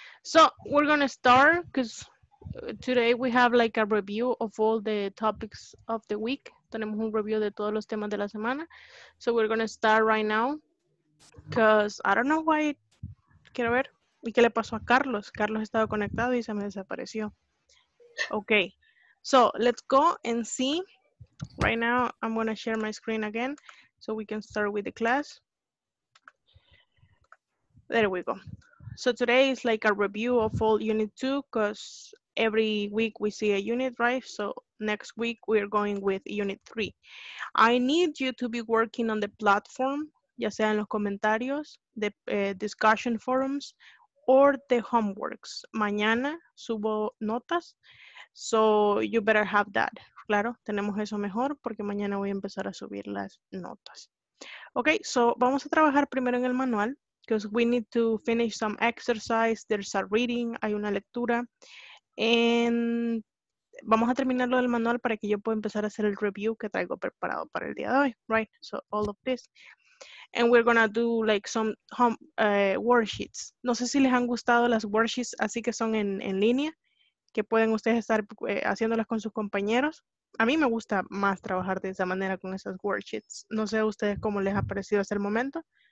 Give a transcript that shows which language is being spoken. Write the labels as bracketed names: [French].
[English] So we're going to start because today we have like a review of all the topics of the week. [Spanish] Tenemos un review de todos los temas de la semana. [English] So we're going to start right now. Because I don't know why. [Spanish] Quiero ver. ¿Y qué le pasó a Carlos? Carlos estaba conectado y se me desapareció. Okay. [English] So let's go and see. Right now I'm going to share my screen again so we can start with the class. There we go. So today is like a review of all unit 2 because every week we see a unit, right? So next week we're going with unit 3. I need you to be working on the platform, [Spanish] ya sea en los comentarios, [English] the discussion forums, or the homeworks. [Spanish] Mañana subo notas, [English] so you better have that. [Spanish] Claro, tenemos eso mejor, porque mañana voy a empezar a subir las notas. [English] Okay, so [Spanish] vamos a trabajar primero en el manual, [English] because we need to finish some exercise, there's a reading, [Spanish] hay una lectura, and vamos a terminar lo del manual para que yo pueda empezar a hacer el review que traigo preparado para el día de hoy, [English] right? So all of this. And we're gonna do like some home worksheets. [Spanish] No sé si les han gustado las worksheets, así que son en línea, que pueden ustedes estar haciéndolas con sus compañeros. A mí me gusta más trabajar de esa manera con esas worksheets. No sé a ustedes cómo les ha parecido hasta el momento.